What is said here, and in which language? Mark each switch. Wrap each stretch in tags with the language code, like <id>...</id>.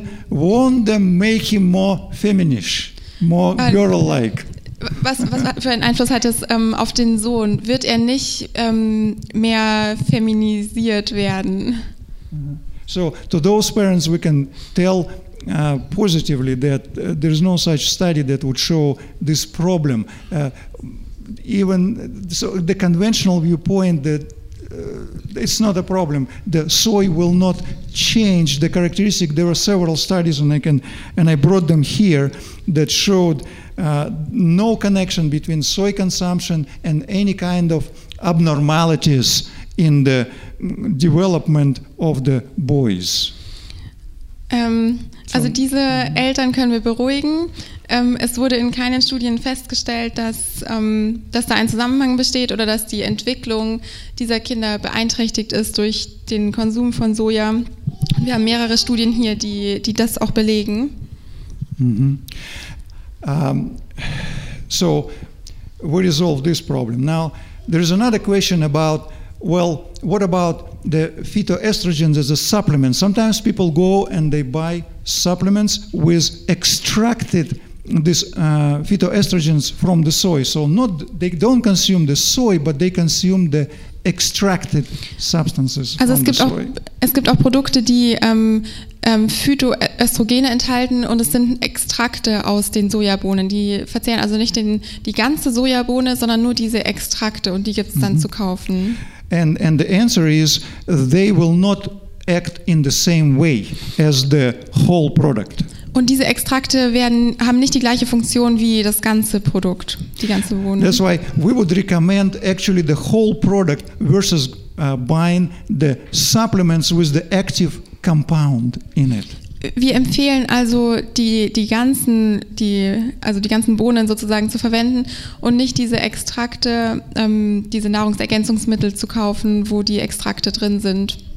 <en>Won't them make him more feminish, more girl-like?</en> <de>Was für einen Einfluss hat es auf den Sohn? Wird er nicht mehr feminisiert werden?</de> <en>So, to those parents we can tell positively that there is no such study that would show this problem. Even so, the conventional viewpoint that it's not a problem. The soy will not change the characteristic. There were several studies, and I brought them here that showed no connection between soy consumption and any kind of abnormalities in the development of the boys.</en> <de>Also diese Eltern können wir beruhigen. Es wurde in keinen Studien festgestellt, dass da ein Zusammenhang besteht oder dass die Entwicklung dieser Kinder beeinträchtigt ist durch den Konsum von Soja. Wir haben mehrere Studien hier, die das auch belegen. Mhm.</de> <en>So we resolve this problem. Now there is another question about, well, what about the phytoestrogens as a supplement? Sometimes people go and they buy supplements with extracted this phytoestrogens from the soy. So not they don't consume the soy, but they consume the extracted substances.</en> <de>Also es gibt auch Produkte, die Phytoöstrogene enthalten und es sind Extrakte aus den Sojabohnen. Die verzehren also nicht die ganze Sojabohne, sondern nur diese Extrakte und die gibt es dann zu kaufen.</de> <en>And the answer is, they will not act in the same way as the whole product.</en> <de>Und diese Extrakte haben nicht die gleiche Funktion wie das ganze Produkt, die ganze Bohne.</de> <en>That's why we would recommend actually the whole product versus buying the supplements with the active compound in it.</en> <de>Wir empfehlen also die ganzen Bohnen sozusagen zu verwenden und nicht diese Extrakte, diese Nahrungsergänzungsmittel zu kaufen, wo die Extrakte drin sind.</de>